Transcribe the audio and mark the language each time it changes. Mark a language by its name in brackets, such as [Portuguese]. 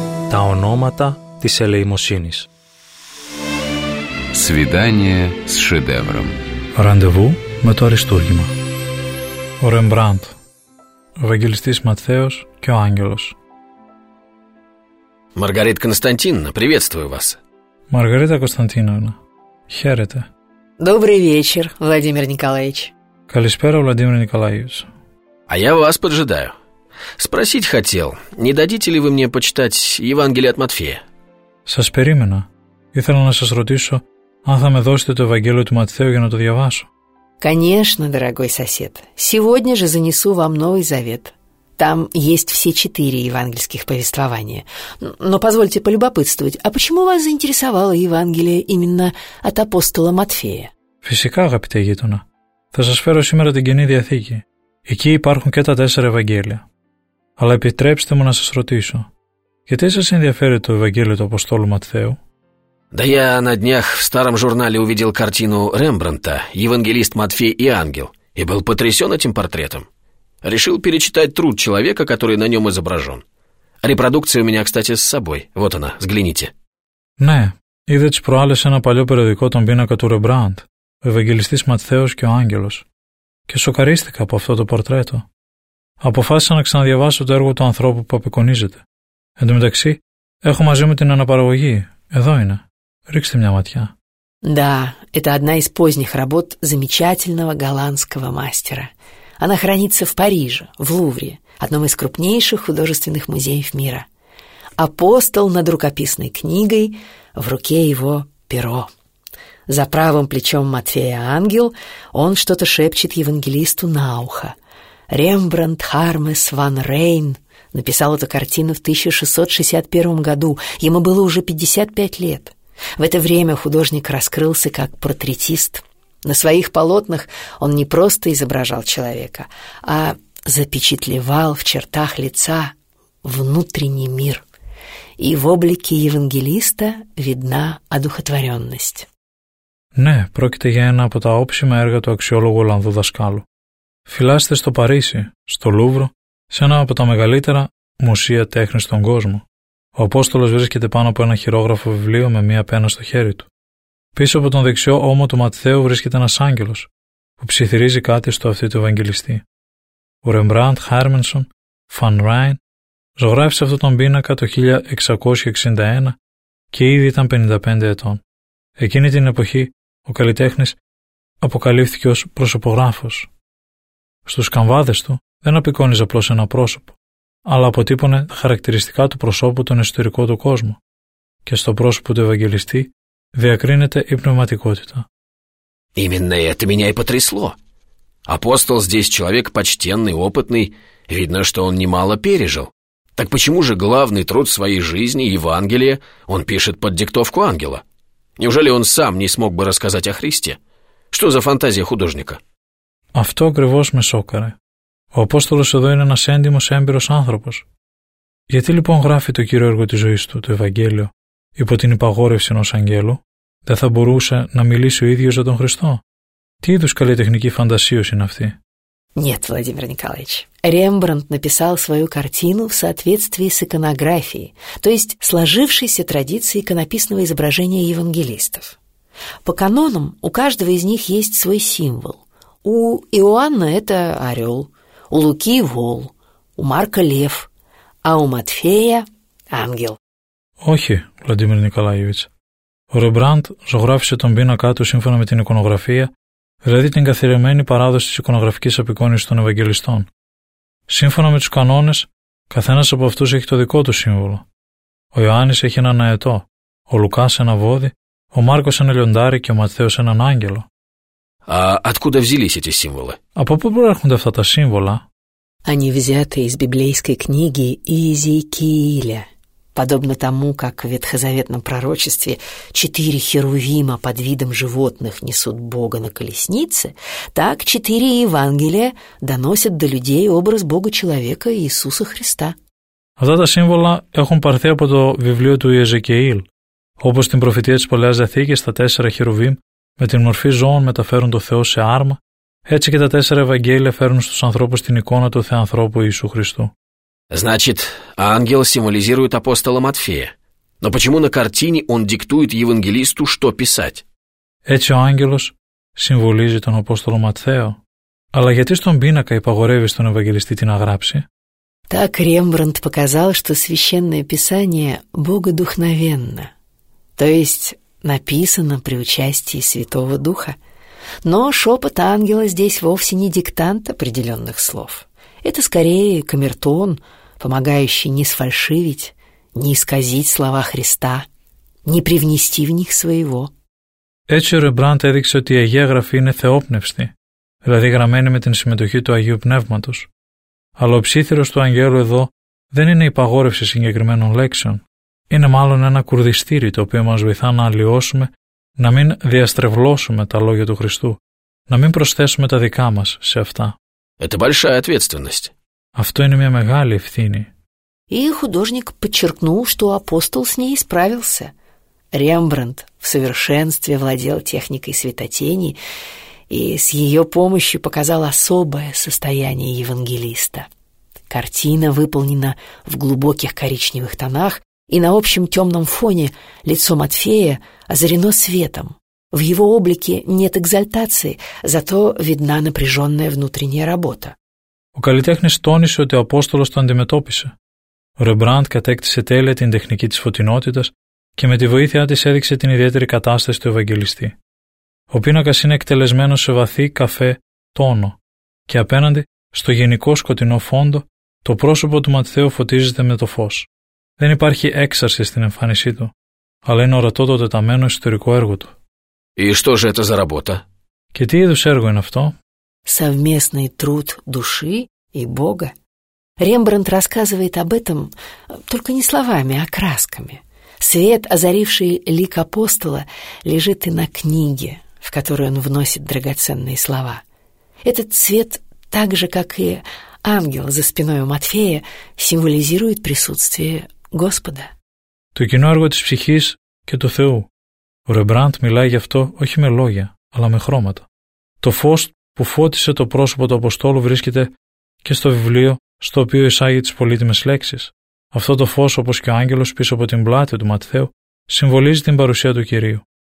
[Greek] Τα ονόματα της ελεημοσύνης. [Russian] Свидание с шедевром. [Greek] Ραντεβού με το Αριστούργημα. Ο Ρεμπράντ. Ο Ευαγγελιστής Ματθαίος και ο Άγγελος. [Russian] Μαργαρίτα Κωνσταντίνα, приветствую вас. [Greek] Μαργαρίτα Κωνσταντίνα, χαίρετε. [Russian] Добрый вечер, Владимир Николаевич. [Greek] Καλησπέρα, Владимир Николаевич. [Russian] А я вас поджидаю. Спросить хотел, не дадите ли вы мне почитать Евангелие от Матфея? [Greek] Сас перимена. Ήθελα να σας ρωτήσω αν θα με δώσετε το Ευαγγέλιο του Ματθαίου για να το διαβάσω. [Russian] Конечно, дорогой сосед. Сегодня же занесу вам Новый Завет. Там есть все четыре евангельских повествования. Но позвольте полюбопытствовать, а почему вас заинтересовало Евангелие именно от апостола Матфея? [Greek] Φυσικά, αγαπητέ γείτονα. Θα σας φέρω σήμερα την Καινή Διαθήκη. Εκεί υπάρχουν και τα τέσσερα Ευαγγέλια. Αλλά επιτρέψτε μου να σας ρωτήσω, γιατί σας ενδιαφέρει το Ευαγγέλιο του Αποστόλου Ματθαίου? [Russian] Да я на днях в старом журнале увидел картину Рембрандта «Евангелист Матфей и ангел» и был потрясен этим портретом. Решил перечитать труд человека, который на нем изображен. Репродукция у меня, кстати, с собой. Вот она, взгляните. [Greek] Ναι, είδε τις προάλλες ένα παλιό περιοδικό τον πίνακα του Ρεμπράντ, ο Ευαγγελιστής Ματθαίος και ο Άγγελος. Και σοκαρίστηκα από αυτό το πορτρέτο. αποφάσισα να ξαναδιαβάσω το έργο του ανθρώπου που απεικονίζεται. Εν τω μεταξύ, έχω μαζί μου την αναπαραγωγή. Εδώ είναι. Ρίξτε μια ματιά. [Russian] Да, это одна из поздних работ замечательного голландского мастера. Она хранится в Париже, в Лувре, одном из крупнейших художественных музеев мира. Апостол над рукописной книгой, в руке его перо. За правым плечом Матфея ангел, он что-то шепчет евангелисту на ухо. Рембрандт Хармес ван Рейн написал эту картину в 1661 году. Ему было уже 55 лет. В это время художник раскрылся как портретист. На своих полотнах он не просто изображал человека, а запечатлевал в чертах лица внутренний мир. И в облике евангелиста видна одухотворенность. [Greek] Ναι, πρόκειται για ένα από τα όψιμα έργα του αξιόλογου Ολλανδού δασκάλου. Φυλάσσεται στο Παρίσι, στο Λούβρο, σε ένα από τα μεγαλύτερα μουσεία τέχνης στον κόσμο. Ο Απόστολος βρίσκεται πάνω από ένα χειρόγραφο βιβλίο με μία πένα στο χέρι του. Πίσω από τον δεξιό ώμο του Ματθαίου βρίσκεται ένας άγγελος, που ψιθυρίζει κάτι στο αυτί του Ευαγγελιστή. Ο Ρεμπράντ Χάρμενσον, Φαν Ράιν, ζωγράφησε αυτόν τον πίνακα το 1661 και ήδη ήταν 55 ετών. Εκείνη την εποχή ο καλλιτέχνης αποκαλύφθηκε ως προσωπογράφος. Στους καμβάδες του δεν απεικόνιζε απλώς ένα πρόσωπο, αλλά αποτύπωνε τα χαρακτηριστικά του προσώπου τον εσωτερικό του κόσμο και στο πρόσωπο του Ευαγγελιστή διακρίνεται η πνευματικότητα. [Russian] Именно это меня и потрясло. Апостол здесь человек почтенный, опытный. Видно, что он немало пережил. Так почему же главный труд своей жизни, Евангелие, он пишет под диктовку ангела? Неужели он сам не смог бы рассказать о Христе? Что за фантазия художника? [Greek] Αυτό ακριβώς με σόκαρε. Ο Απόστολος εδώ είναι ένας έντιμος, έμπειρος άνθρωπος. Γιατί λοιπόν γράφει το κύριο έργο της ζωής του, το Ευαγγέλιο, υπό την υπαγόρευση ενός αγγέλου, δεν θα μπορούσε να μιλήσει ο ίδιος για τον Χριστό? Τι είδους καλλιτεχνική φαντασίωση είναι αυτή? [Russian] Нет, Владимир Николаевич, Рембрандт написал свою картину в соответствии с иконографией, то есть сложившейся традицией иконописного изображения евангелистов. По канонам у каждого из них есть свой символ. У Иоанна это орел, у Луки – вол, у Марка – лев, а у Матфея – ангел. [Greek] Όχι, Владимир Николаевич. Ο Рембрандт ζωγράφησε τον πίνακά του σύμφωνα με την εικονογραφία, δηλαδή την καθιερωμένη παράδοση της εικονογραφικής απεικόνησης των Ευαγγελιστών. Σύμφωνα με τους κανόνες, καθένας από αυτούς έχει το δικό του σύμβολο. Ο Ιωάννης έχει έναν αετό, ο Λουκάς ένα βόδι, ο Μάρκος ένα λιοντάρι και ο Ματθαίος έναν άγγελο. [Russian] А откуда взялись эти символы? [Greek] Από πού προέρχονται αυτά τα σύμβολα? [Russian] Они взяты из библейской книги Иезекииля. Подобно тому, как в ветхозаветном пророчестве четыре херувима под видом животных несут Бога на колеснице, так четыре Евангелия доносят до людей образ Бога-человека Иисуса Христа. [Greek] Αυτά τα σύμβολα έχουν πάρθει από το βιβλίο του Ιεζεκιήλ, όπως την προφητεία της Παλαιάς Διαθήκης, τα τέσσερα χερουβίμ με την μορφή ζώων μεταφέρουν το Θεό σε άρμα, έτσι και τα τέσσερα Ευαγγέλια φέρουν στους ανθρώπους την εικόνα του Θεανθρώπου Ιησού Χριστού. [Russian] Значит, ангел символизирует апостола Матфея. Но почему на картине он диктует евангелисту, что писать? [Greek] Έτσι ο άγγελος συμβολίζει τον Απόστολο Ματθαίο. Αλλά γιατί στον πίνακα υπαγορεύει στον Ευαγγελιστή τι να γράψει? [Russian] Так Рембрандт показал, что священное писание богодухновенно, то есть написано при участии Святого Духа. Но шепот ангела здесь вовсе не диктант определенных слов. Это скорее камертон, помогающий не сфальшивить, не исказить слова Христа, не привнести в них своего. [Greek] Έτσι ο Ρεμπράντ έδειξε ότι η Αγία Γραφή είναι θεόπνευστη, δηλαδή γραμμένη με την συμμετοχή του Αγίου Πνεύματος. Αλλά ο ψήθυρος του Αγγέλου εδώ δεν είναι υπαγόρευση συγκεκριμένων λέξεων. Είναι μάλλον ένα κουρδιστήρι το οποίο μας βοηθά να αλλοιώσουμε, να μην διαστρεβλώσουμε τα λόγια του Χριστού, να μην προσθέσουμε τα δικά μας σε αυτά. [Russian] Это большая ответственность. [Greek] Αυτό είναι μια μεγάλη ευθύνη. [Russian] И художник подчеркнул, что апостол с ней справился. Рембрандт в совершенстве владел техникой светотени и с ее помощью показал особое состояние евангелиста. Картина выполнена в глубоких коричневых тонах, и на общем темном фоне лицо Матфея озарено светом. В его облике нет экзальтации, зато видна напряженная внутренняя работа. [Greek] Ο καλλιτέχνης τόνισε ότι ο Απόστολος το αντιμετώπισε. Ο Ρεμπράντ κατέκτησε τέλεια την τεχνική της φωτεινότητας και με τη βοήθειά της έδειξε την ιδιαίτερη κατάσταση του Ευαγγελιστή. Ο πίνακας είναι εκτελεσμένος σε βαθύ καφέ τόνο και απέναντι στο γενικό σκοτεινό φόντο το πρόσωπο του Ματθαίου φωτίζεται με το φως. Δεν υπάρχει έξαρση στην εμφάνισή του, αλλά είναι ορατό το τεταμένο ιστορικό έργο του. [Russian] Что же это за работа? [Greek] Και τι είδους έργο είναι αυτό? [Russian] Совместный труд души и Бога. Рембрандт рассказывает об этом только не словами, а красками. Свет, озаривший лик апостола, лежит и на книге, в которую он вносит драгоценные слова. Этот свет, так же, как и ангел за спиной у Матфея, символизирует присутствие Господа. [Greek] Το кино έργο της ψυχής και του Θεού. Ο Ρεμπράντ μιλάει γι' αυτό όχι με λόγια, αλλά με χρώματα. Το φως που φώτισε το πρόσωπο του Αποστόλου βρίσκεται και στο βιβλίο στο οποίο εισάγει τις πολύτιμες λέξεις. Αυτό το φως, όπως και ο άγγελος πίσω από την πλάτη του Ματθαίου, συμβολίζει την παρουσία του Κυρίου.